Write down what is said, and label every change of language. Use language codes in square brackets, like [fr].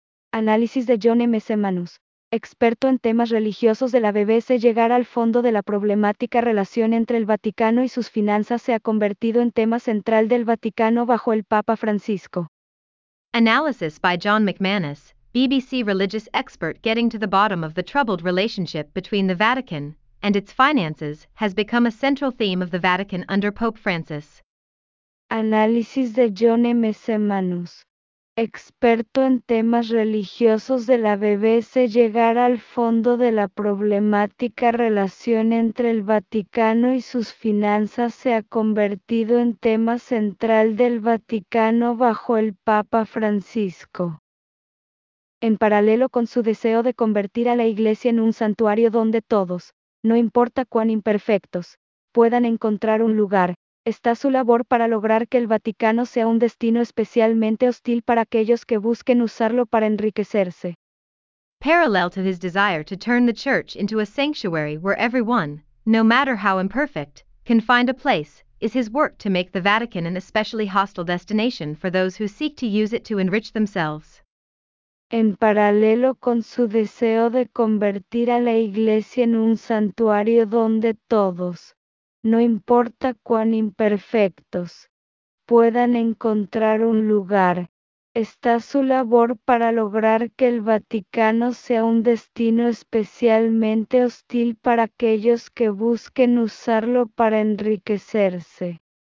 [es] Análisis de John M. Semanus, experto en temas religiosos de la BBC. Llegar al fondo de la problemática relación entre el Vaticano y sus finanzas se ha convertido en tema central del Vaticano bajo el Papa Francisco. [en] Analysis by John McManus, BBC religious expert. Getting to the bottom of the troubled relationship between the Vatican and its finances has become a central theme of the Vatican under Pope Francis. [es] Análisis de John M. Semanus, experto en temas religiosos de la BBC. Llegar al fondo de la problemática relación entre el Vaticano y sus finanzas se ha convertido en tema central del Vaticano bajo el Papa Francisco. En paralelo con su deseo de convertir a la Iglesia en un santuario donde todos, no importa cuán imperfectos, puedan encontrar un lugar, está su labor para lograr que el Vaticano sea un destino especialmente hostil para aquellos que busquen usarlo para enriquecerse. [en] Parallel to his desire to turn the church into a sanctuary where everyone, no matter how imperfect, can find a place, is his work to make the Vatican an especially hostile destination for those who seek to use it to enrich themselves. [es] En paralelo con su deseo de convertir a la Iglesia en un santuario donde todos, no importa cuán imperfectos, puedan encontrar un lugar, está su labor para lograr que el Vaticano sea un destino especialmente hostil para aquellos que busquen usarlo para enriquecerse.